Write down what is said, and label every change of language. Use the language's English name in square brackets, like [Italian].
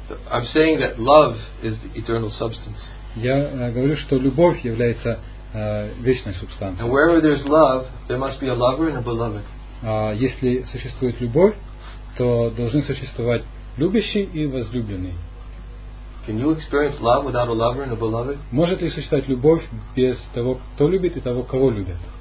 [English] I'm saying that love is the eternal substance. [Russian] Я говорю, что любовь является вечной субстанцией. [English] And wherever there's love, there must be a lover and a beloved. [Russian] Если существует любовь, то должны существовать любящий и возлюбленный. [English] Can you experience love without a lover and a beloved? [Russian] Может ли существовать любовь без того, кто любит, и того, кого любят?